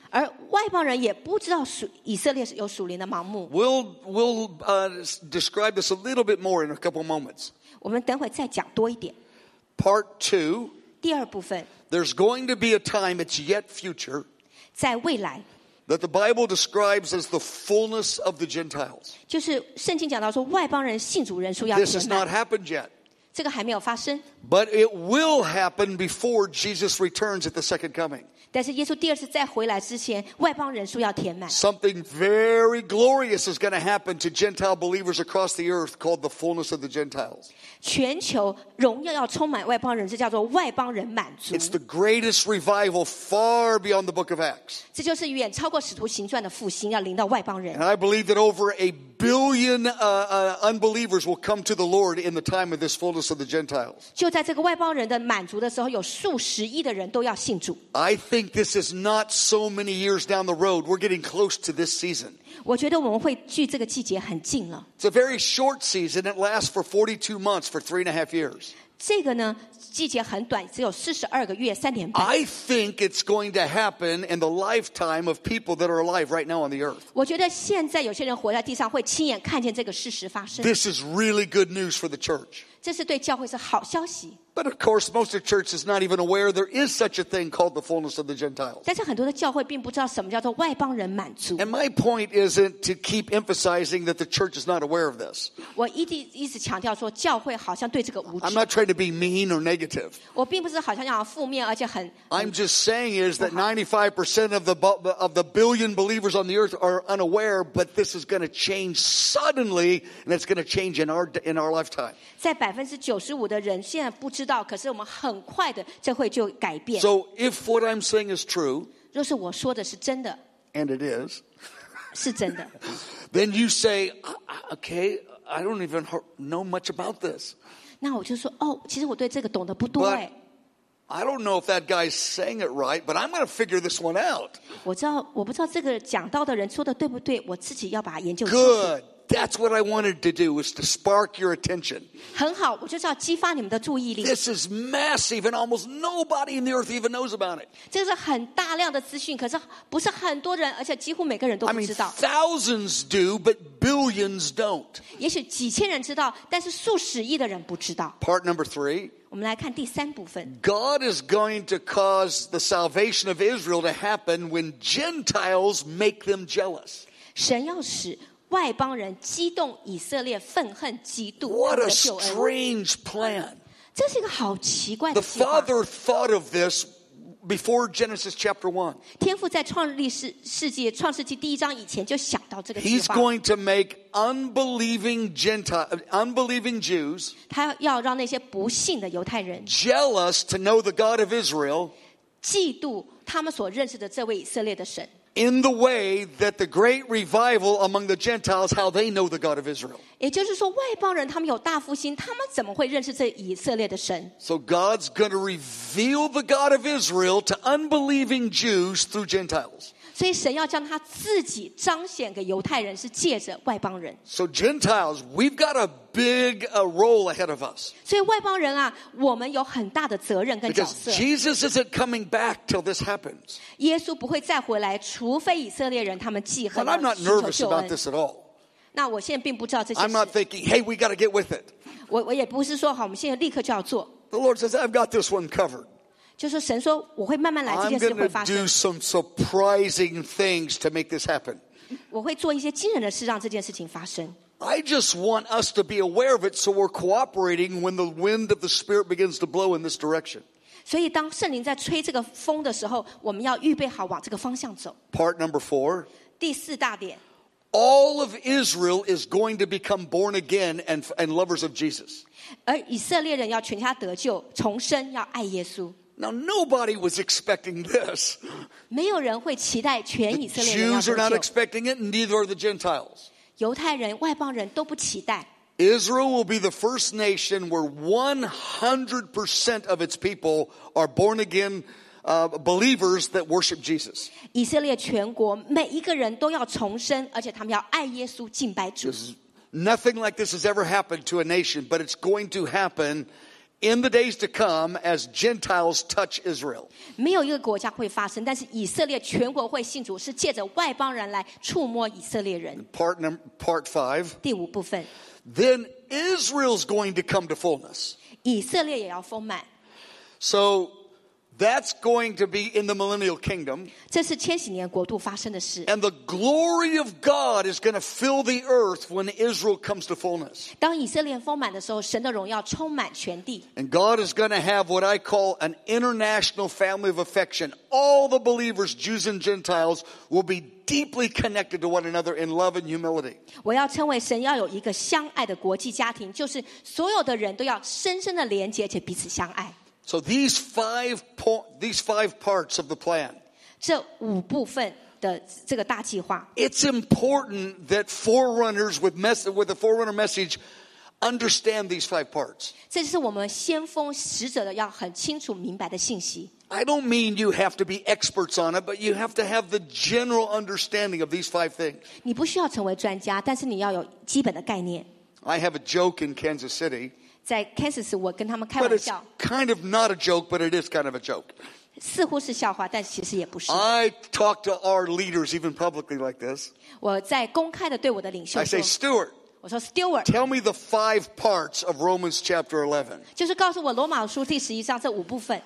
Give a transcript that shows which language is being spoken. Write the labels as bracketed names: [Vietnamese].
[Chinese] 而外邦人也不知道以色列有属灵的盲目 [English] We'll describe this a little bit more in a couple moments [Chinese] 我们等会再讲多一点 [English] Part 2 [Chinese] 第二部分 [English] There's going to be a time, it's yet future, [Chinese] 在未来 [English] that the Bible describes as the fullness of the Gentiles. [Chinese] 就是圣经讲到说外邦人信主人数要填满 [English] This has not happened yet. [Chinese] 这个还没有发生 [English] But it will happen before Jesus returns at the second coming. [Chinese] 但是耶稣第二次再回来之前外邦人数要填满 [English] Something very glorious is going to happen to Gentile believers across the earth called the fullness of the Gentiles. [Chinese] 全球荣耀要充满外邦人，这叫做外邦人满足。 [English] It's the greatest revival far beyond the Book of Acts. [Chinese] 这就是远超过《使徒行传》的复兴，要临到外邦人。 [English] And I believe that over a billion unbelievers will come to the Lord in the time of this fullness of the Gentiles. [Chinese] 就在这个外邦人的满足的时候，有数十亿的人都要信主。 [English] I think this is not so many years down the road. We're getting close to this season. [Chinese] 我觉得我们会距这个季节很近了。 [English] It's a very short season. It lasts for 42 months for 3.5 years. [Chinese] 这个呢，季节很短，只有42个月，3.5年。 [English] I think it's going to happen in the lifetime of people that are alive right now on the earth. [Chinese] 我觉得现在有些人活在地上会亲眼看见这个事实发生。 [English] This is really good news for the church. [Chinese] 这是对教会是好消息。 [English] But of course, most of the church is not even aware there is such a thing called the fullness of the Gentiles. [Chinese] 但是很多的教会并不知道什么叫做外邦人满足。 [English] And my point isn't to keep emphasizing that the church is not aware of this. [Chinese] 我一直强调说教会好像对这个无知。 [English] I'm not trying to be mean or negative. [Chinese] 我并不是好像要负面而且很。 [English] I'm just saying is that 95% of the billion believers on the earth are unaware, but this is going to change suddenly, and it's going to change in our lifetime. [Chinese] 在95%的人现在不。知道，可是我们很快的，这会就改变。 [English] So if what I'm saying is true, [Chinese] 若是我说的是真的 [English] ，and it is, [Chinese] 是真的 [English] ，then you say, okay, I don't even know much about this. [Chinese] 那我就说，哦，其实我对这个懂得不多哎。 [English] I don't know if that guy's saying it right, but I'm going to figure this one out. [Chinese] 我知道，我不知道这个讲道的人说的对不对，我自己要把它研究清楚。 [English] Good. That's what I wanted to do, was to spark your attention. [Chinese] 很好，我就是要激发你们的注意力。 [English] This is massive, and almost nobody in the earth even knows about it. [Chinese] 这是很大量的资讯，可是不是很多人，而且几乎每个人都不知道。 [English] I mean, thousands do, but billions don't. [Chinese] 也许几千人知道，但是数十亿的人不知道。 [English] Part number three. [Chinese] 我们来看第三部分。 [English] God is going to cause the salvation of Israel to happen when Gentiles make them jealous. [Chinese] 神要使外邦人激动以色列愤恨嫉妒 [English] What a strange plan. [Chinese] 这是一个好奇怪的计划。 [English] The Father thought of this before Genesis chapter 1. [Chinese] 天父在创世纪第一章以前就想到这个计划。 [English] He's going to make unbelieving Jews [Chinese] 他要让那些不信的犹太人 [English] jealous to know the God of Israel [Chinese] 嫉妒他们所认识的这位以色列的神。 [English] In the way that the great revival among the Gentiles, how they know the God of Israel. [Chinese] 也就是说，外邦人他们有大复兴，他们怎么会认识这以色列的神？ [English] So God's going to reveal the God of Israel to unbelieving Jews through Gentiles. [Chinese] 所以神要将他自己彰显给犹太人，是借着外邦人。 [English] So Gentiles, we've got a big role ahead of us. [Chinese] 所以外邦人啊，我们有很大的责任跟角色。 [English] Because Jesus isn't coming back till this happens. [Chinese] 耶稣不会再回来，除非以色列人他们记恨了。 [English] But I'm not nervous about this at all. [Chinese] 那我现在并不知道这些事。 [English] I'm not thinking, hey, we got to get with it. [Chinese] 我也不是说好，我们现在立刻就要做。 [English] The Lord says, I've got this one covered. [Chinese] 就是神说我会慢慢来这件事会发生 [English] I'm going to do some surprising things to make this happen [Chinese] 我会做一些惊人的事让这件事情发生 [English] I just want us to be aware of it so we're cooperating when the wind of the spirit begins to blow in this direction [Chinese] 所以当圣灵在吹这个风的时候，我们要预备好往这个方向走。 [English] Part number four， [Chinese] 第四大点， [English] All of Israel is going to become born again and lovers of Jesus。 [Chinese] 而以色列人要全家得救，重生，要爱耶稣。 [English] Now nobody was expecting this. [Chinese] 没有人会期待全以色列人要得救。 [English] Jews are not expecting it, neither are the Gentiles. [Chinese] 犹太人、外邦人都不期待。 [English] Israel will be the first nation where 100% of its people are born again believers that worship Jesus. [Chinese] 以色列全国每一个人都要重生，而且他们要爱耶稣、敬拜主。 [English] Nothing like this has ever happened to a nation, but it's going to happen. In the days to come, as Gentiles touch Israel, [Chinese] 没有一个国家会发生，但是以色列全国会信主，是借着外邦人来触摸以色列人。 [English] Part five, [Chinese] 第五部分。 [English] Then Israel's going to come to fullness. [Chinese] 以色列也要丰满。 [English] So that's going to be in the millennial kingdom. [Chinese] 这是千禧年国度发生的事。 [English] And the glory of God is going to fill the earth when Israel comes to fullness. [Chinese] 当以色列丰满的时候，神的荣耀充满全地。 [English] And God is going to have what I call an international family of affection. All the believers, Jews and Gentiles, will be deeply connected to one another in love and humility. [Chinese] 我要称为神要有一个相爱的国际家庭，就是所有的人都要深深的连接，且彼此相爱。 [English] So these five parts of the plan. [Chinese] 这五部分的这个大计划。 [English] It's important that forerunners with the forerunner message understand these five parts. [Chinese] 这是我们先锋使者的要很清楚明白的信息。 [English] I don't mean you have to be experts on it, but you have to have the general understanding of these five things. [Chinese] 你不需要成为专家，但是你要有基本的概念。 [English] I have a joke in Kansas City. [Chinese] 在 Kansas 我跟他们开玩笑。 [English] But it's kind of not a joke, but it is kind of a joke. [Chinese] 似乎是笑话，但其实也不是。 [English] I talk to our leaders even publicly like this. [Chinese] 我在公开的对我的领袖说。 [English] I say, Stuart. [Chinese] 我说 Stuart. [English] Tell me the five parts of Romans chapter 11. [Chinese] 就是告诉我罗马书第十一章这五部分。